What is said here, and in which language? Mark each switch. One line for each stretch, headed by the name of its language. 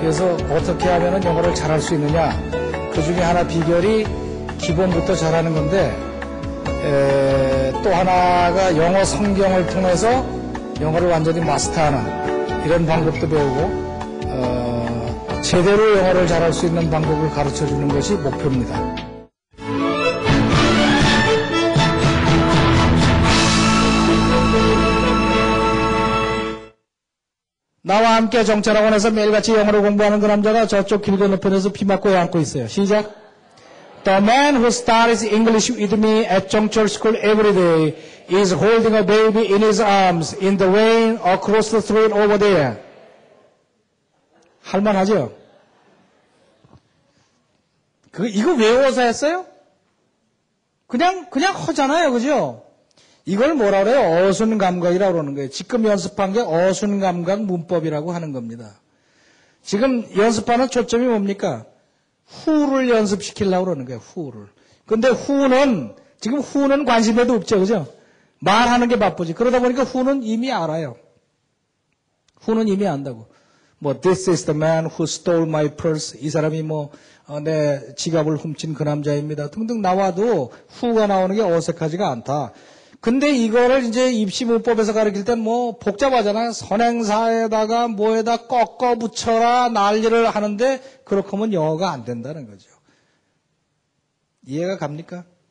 Korean: 그래서 어떻게 하면 영어를 잘할 수 있느냐. 그 중에 하나 비결이 기본부터 잘하는 건데 또 하나가 영어 성경을 통해서 영어를 완전히 마스터하는 이런 방법도 배우고 제대로 영어를 잘할 수 있는 방법을 가르쳐주는 것이 목표입니다. 나와 함께 정찰학원에서 매일같이 영어를 공부하는 그 남자가 저쪽 길 건너편에서 피 맞고 앉고 있어요. 시작.
English: The man who studies English with me at 정철 school every day is holding a baby in his arms in the rain across the street over there.
Korean: 할만하죠? 이거 외워서 했어요? 그냥 허잖아요. 그죠? 이걸 뭐라 그래요? 어순감각이라고 그러는 거예요. 지금 연습한 게 어순감각 문법이라고 하는 겁니다. 지금 연습하는 초점이 뭡니까? 후를 연습시키려고 그러는 거예요. 후를. 근데 후는, 지금 후는 관심에도 없죠. 그죠? 말하는 게 바쁘지. 그러다 보니까 후는 이미 알아요. 후는 이미 안다고.
English: 뭐, this is the man who stole my purse.
Korean: 이 사람이 뭐, 내 지갑을 훔친 그 남자입니다. 등등 나와도 후가 나오는 게 어색하지가 않다. 근데 이거를 이제 입시 문법에서 가르칠 땐 뭐 복잡하잖아요. 선행사에다가 뭐에다 꺾어 붙여라 난리를 하는데 그렇게 하면 영어가 안 된다는 거죠. 이해가 갑니까?